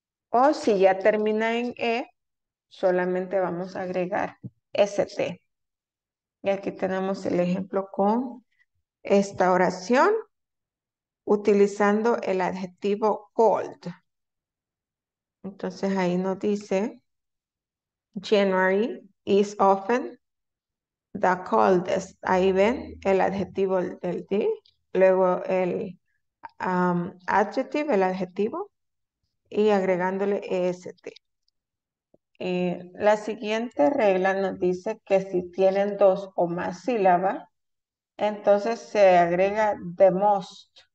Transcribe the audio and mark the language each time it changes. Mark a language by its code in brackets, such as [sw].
[es] O si ya termina en e, solamente vamos a agregar st. Y aquí tenemos el ejemplo con esta oración utilizando el adjetivo cold. Entonces ahí nos dice, [en] January is often the coldest. [es] Ahí ven el adjetivo del d, luego el adjective, el adjetivo, y agregándole est. La siguiente regla nos dice que si tienen dos o más sílabas, entonces se agrega the most.